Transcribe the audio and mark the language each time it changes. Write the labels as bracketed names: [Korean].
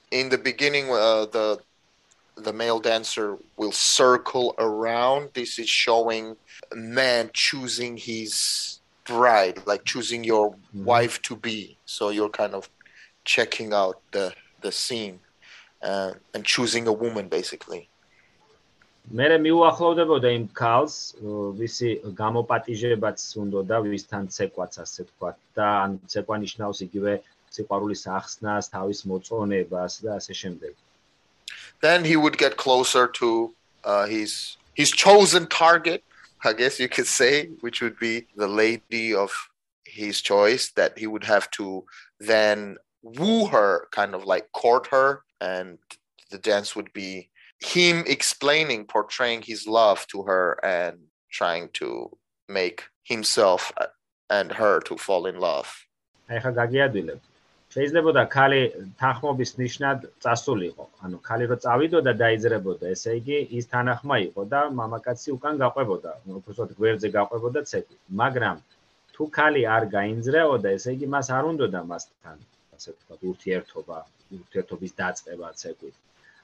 [English] in the beginning, the male dancer will circle around. This is showing a man choosing his bride, like choosing your wife to be. So you're kind of checking out the scene, and choosing a woman, basically. [Georgian] მერე მიუახლოვდებოდა იმ ქალს, ვისი გამოპატიჟებაც უნდოდა, ვისთან ცეკვაც ასე თქვა, და ან ცეკვა ნიშნავს იგივე სიყვარულის ახსნას, თავის მოწონებას და ასე შემდეგ. [English] Then he would get closer to his chosen target, I guess you could say, which would be the lady of his choice, that he would have to then woo her, kind of like court her, and the dance would be him explaining, portraying his love to her and trying to make himself and her to fall in love. [Georgian] შეიძლებოდა ქალი თანხმობის ნიშნად წასულიყო. ანუ ქალი რო წავიდოდა დაიძრებოდა, ესე იგი ის თანახმა იყო და მამაკაცი უკან გაყვებოდა, უბრალოდ გვერდზე გაყვებოდა ცეკვით. მაგრამ თუ ქალი არ გაინძრეოდა, ესე იგი მას არ უნდოდა მასთან, ასე ვთქვათ, ურთიერთობა, ურთიერთობის დაწყება ცეკვით.